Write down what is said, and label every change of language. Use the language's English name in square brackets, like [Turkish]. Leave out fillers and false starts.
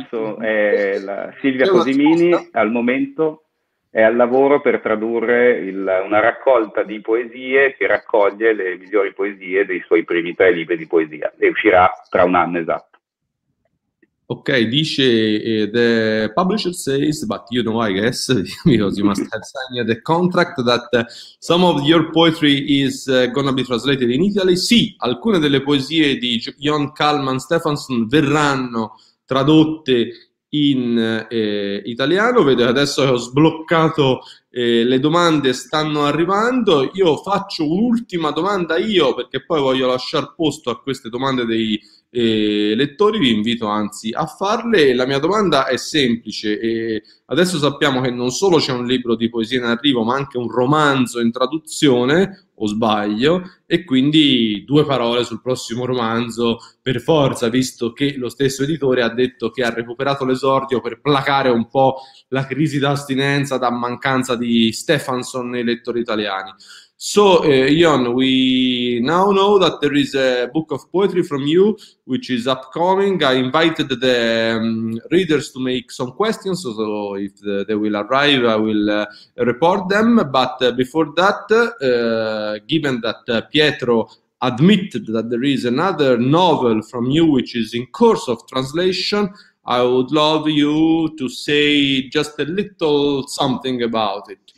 [Italian] So, la Silvia Cosimini al momento è al lavoro per tradurre una raccolta di poesie che raccoglie le migliori poesie dei suoi primi tre libri di poesia, e uscirà tra un anno esatto. Ok, dice, [English] the publisher says, but you know, I guess, because you must have signed the contract, that some of your poetry is gonna be translated in Italy. [Italian] Sì, alcune delle poesie di Jan Kalman Stefansson verranno tradotte in italiano. Vedo adesso che ho sbloccato, le domande stanno arrivando. Io faccio un'ultima domanda io, perché poi voglio lasciar posto a queste domande dei lettori, vi invito anzi a farle. La mia domanda è semplice, adesso sappiamo che non solo c'è un libro di poesia in arrivo, ma anche un romanzo in traduzione, o sbaglio? E quindi due parole sul prossimo romanzo per forza, visto che lo stesso editore ha detto che ha recuperato l'esordio per placare un po' la crisi d'astinenza da mancanza di Stefansson nei lettori italiani. [English] So, Jan, we now know that there is a book of poetry from you, which is upcoming. I invited the readers to make some questions, so if they will arrive, I will report them. But before that, given that Pietro admitted that there is another novel from you, which is in course of translation, I would love you to say just a little something about it.